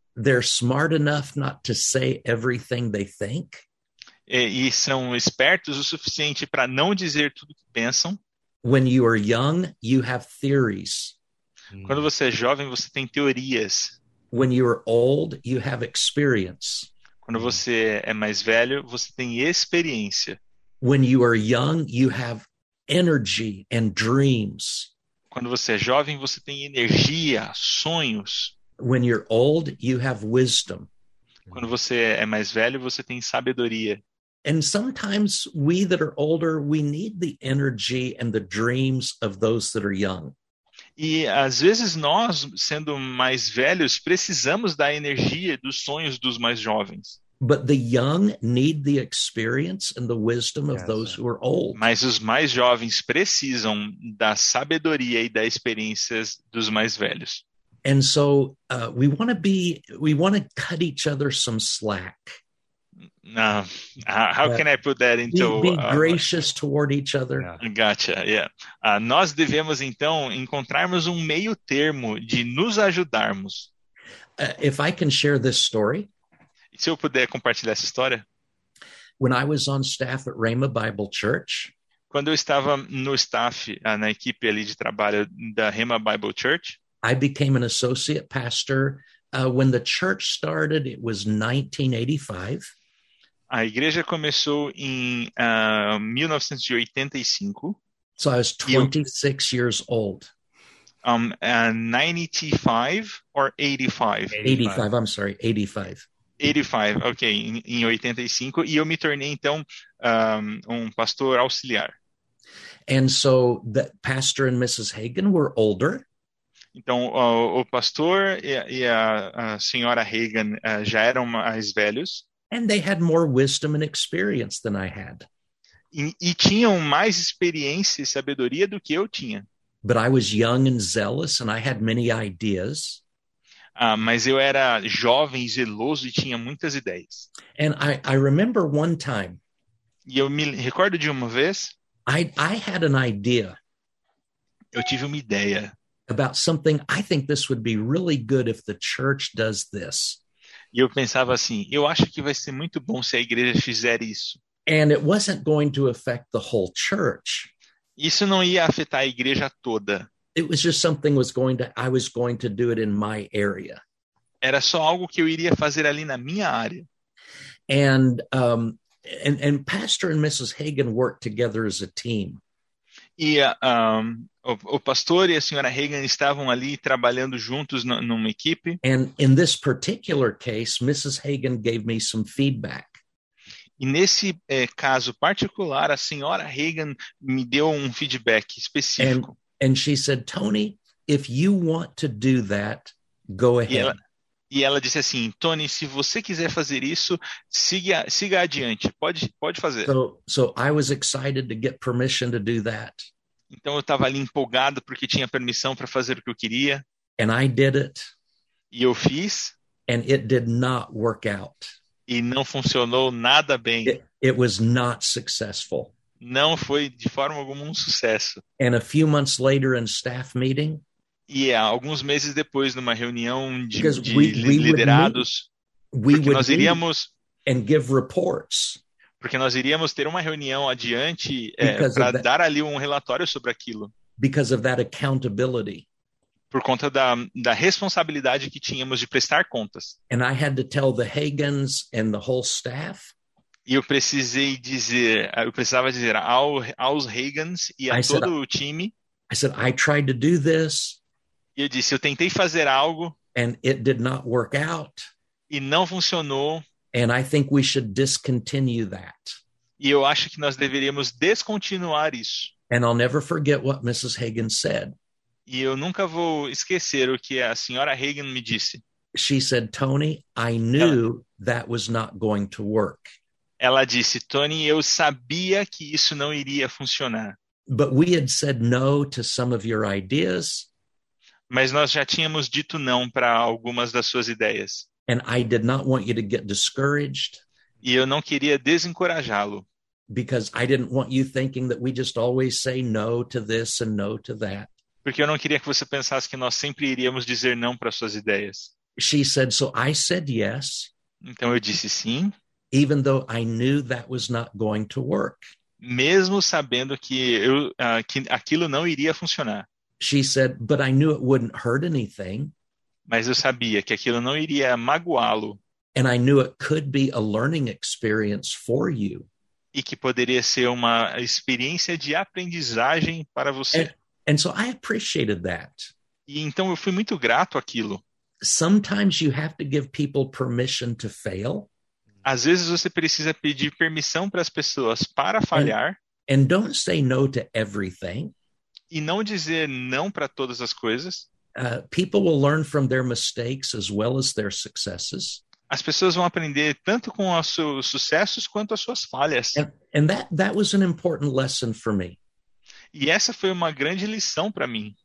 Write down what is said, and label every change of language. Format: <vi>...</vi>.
<en>They're smart enough not to say everything they think.</en> <pt>E são espertos o suficiente para não dizer tudo que pensam.</pt> <en>When you are young, you have theories.</en> <pt>Quando você é jovem, você tem teorias.</pt> <en>When you are old, you have experience.</en> <pt>Quando você é mais velho, você tem experiência.</pt> <en>When you are young, you have energy and dreams.</en> <pt>Quando você é jovem, você tem energia, sonhos.</pt> <en>When you're old, you have wisdom.</en> <pt>Quando você é mais velho, você tem sabedoria.</pt> <en>And sometimes we that are older, we need the energy and the dreams of those that are young.</en> <pt>E às vezes nós, sendo mais velhos, precisamos da energia, dos sonhos dos mais jovens.</pt> <en>But the young need the experience and the wisdom of those who are old.</en> <pt>Mas os mais jovens precisam da sabedoria e da experiência dos mais velhos.</pt> <en>And so we want to cut each other some slack. Be gracious toward each other. Yeah. Gotcha, yeah.</en> <pt>Nós devemos, então, encontrarmos um meio termo de nos ajudarmos.</pt> <en>If I can share this story.</en> <pt>Se eu puder compartilhar essa história.</pt> <en>When I was on staff at Rhema Bible Church.</en> <pt>Quando eu estava no staff, na equipe ali de trabalho da Rhema Bible Church.</pt> <en>I became an associate pastor. When the church started, it was 1985.</en> <pt>A igreja começou em 1985.</pt> <en>So I was 26 years old. 95 or 85? 85, I'm sorry, 85.</en> <pt>85, ok, em 85, e eu me tornei, então, um pastor auxiliar.</pt> <en>And so, the pastor and Mrs. Hagen were older.</en> <pt>Então, o pastor e a senhora Hagen já eram mais velhos.</pt> <en>And they had more wisdom and experience than I had.</en> <pt>E tinham mais experiência e sabedoria do que eu tinha.</pt> <en>But I was young and zealous, and I had many ideas.</en> <pt>Mas eu era jovem, zeloso e tinha muitas ideias.</pt> <en>And I remember one time.</en> <pt>E eu me recordo de uma vez.</pt> <en>I had an idea.</en> <pt>Eu tive uma ideia.</pt> <en>About something, I think this would be really good if the church does this.</en> <pt>E eu pensava assim, eu acho que vai ser muito bom se a igreja fizer isso.</pt> <en>And it wasn't going to affect the whole church.</en> <pt>Isso não ia afetar a igreja toda.</pt> <en>It was just something I was going to do it in my area.</en> <pt>Era só algo que eu iria fazer ali na minha área.</pt> <en>And Pastor and Mrs. Hagen worked together as a team.</en> <pt>E o pastor e a senhora Hagen estavam ali trabalhando juntos numa equipe.</pt> <en>And in this particular case, Mrs. Hagen gave me some feedback.</en> <pt>E nesse caso particular, a senhora Hagen me deu um feedback específico.</pt> <en>And she said, Tony, if you want to do that, go ahead.</en> <pt>E ela disse assim, Tony, se você quiser fazer isso, siga adiante, pode fazer.</pt> <en>So I was excited to get permission to do that.</en> <pt>Então eu estava ali empolgado porque tinha permissão para fazer o que eu queria.</pt> <en>And I did it.</en> <pt>E eu fiz.</pt> <en>And it did not work out.</en> <pt>E não funcionou nada bem.</pt> <en>It was not successful.</en> <pt>Não foi de forma alguma sucesso.</pt> <en>And a few months later in staff meeting.</en> <pt>Yeah, alguns meses depois numa reunião de liderados. Porque nós iríamos</pt> <en>and give reports.</en> <pt>Porque nós iríamos ter uma reunião adiante para dar ali um relatório sobre aquilo.</pt> <en>Because of that accountability.</en> <pt>Por conta da responsabilidade que tínhamos de prestar contas.</pt> <en>And I had to tell the Hagans and the whole staff.</en> <pt>E eu precisava dizer aos Hagans e a todo o time.</pt> <en>I said, I tried to do this.</en> <pt>E eu disse, eu tentei fazer algo.</pt> <en>And it did not work out.</en> <pt>E não funcionou.</pt> <en>And I think we should discontinue that.</en> <pt>E eu acho que nós deveríamos descontinuar isso.</pt> <en>And I'll never forget what Mrs. Hagan said.</en> <pt>E eu nunca vou esquecer o que a senhora Hagan me disse.</pt> <en>She said, Tony, I knew that was not going to work.</en> <pt>Ela disse, Tony, eu sabia que isso não iria funcionar.</pt> <en>But we had said no to some of your ideas.</en> <pt>Mas nós já tínhamos dito não para algumas das suas ideias.</pt> <en>And I did not want you to get discouraged.</en> <pt>E eu não queria desencorajá-lo.</pt> <en>Because I didn't want you thinking that we just always say no to this and no to that.</en> <pt>Porque eu não queria que você pensasse que nós sempre iríamos dizer não para suas ideias.</pt> <en>She said, so I said yes.</en> <pt>Então eu disse sim.</pt> <en>Even though I knew that was not going to work.</en> <pt>Mesmo sabendo que aquilo não iria funcionar.</pt> <en>She said, but I knew it wouldn't hurt anything.</en> <pt>Mas eu sabia que aquilo não iria magoá-lo.</pt> <en>And I knew it could be a learning experience for you.</en> <pt>E que poderia ser uma experiência de aprendizagem para você.</pt> <en>And so I appreciated that.</en> <pt>E então eu fui muito grato àquilo.</pt> <en>Sometimes you have to give people permission to fail.</en> <pt>Às vezes você precisa pedir permissão para as pessoas para falhar.</pt> <en>And don't say no to everything.</en> <pt>E não dizer não para todas as coisas.</pt> <en>People will learn from their mistakes as well as their successes.</en> <pt>As pessoas vão aprender tanto com os seus sucessos quanto as suas falhas.</pt> <en>And that was an important lesson for me.</en> <pt>E essa foi uma grande lição para mim.</pt>